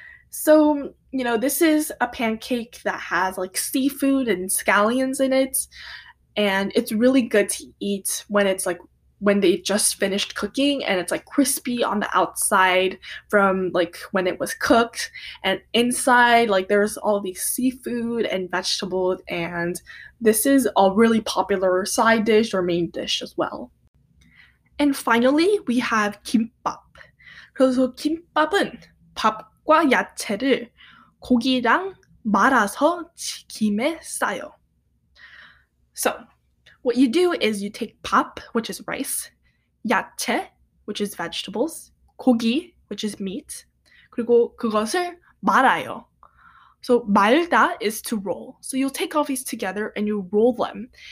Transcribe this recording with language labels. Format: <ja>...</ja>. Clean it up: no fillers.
<en>So, you know, this is a pancake that has like seafood and scallions in it, and it's really good to eat when it's like when they just finished cooking and it's like crispy on the outside from like when it was cooked, and inside like there's all these seafood and vegetables, and this is a really popular side dish or main dish as well. And finally, we have kimbap.</en> <ko>그래서 김밥은 밥과 야채를 고기랑 말아서 김에 싸요.</ko> <en>So, what you do is you take 밥, which is rice, 야채, which is vegetables, 고기, which is meat,</en> <ko>그리고 그것을 말아요.</ko> <en>So, 말다 is to roll. So, you'll take all these together and you roll them.</en>